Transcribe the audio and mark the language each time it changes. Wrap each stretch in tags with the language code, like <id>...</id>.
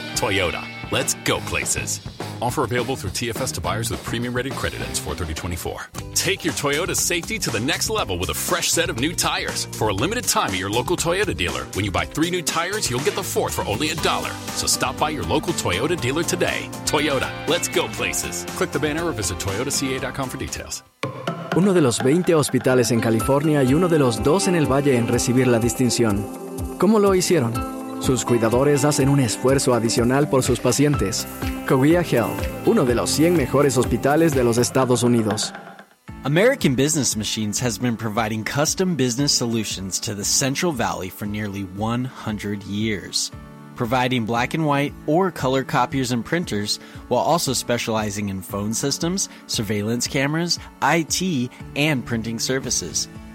<en>Toyota, let's go places. Offer available through TFS to buyers with premium-rated credit ends 4/30/24. Take your Toyota safety to the next level with a fresh set of new tires. For a limited time at your local Toyota dealer, when you buy 3 new tires, you'll get the 4th for only $1. So stop by your local Toyota dealer today. Toyota, let's go places. Click the banner or visit toyotaca.com for details.</en> <es>Uno de los 20 hospitales en California y uno de los 2 en el Valle en recibir la distinción. ¿Cómo lo hicieron? Sus cuidadores hacen un esfuerzo adicional por sus pacientes. Covia Health, uno de los 100 mejores hospitales de los Estados Unidos.</es> <en>American Business Machines has been providing custom business solutions to the Central Valley for nearly 100 years. Providing black and white or color copiers and printers, while also specializing in phone systems, surveillance cameras, IT, and printing services.</en>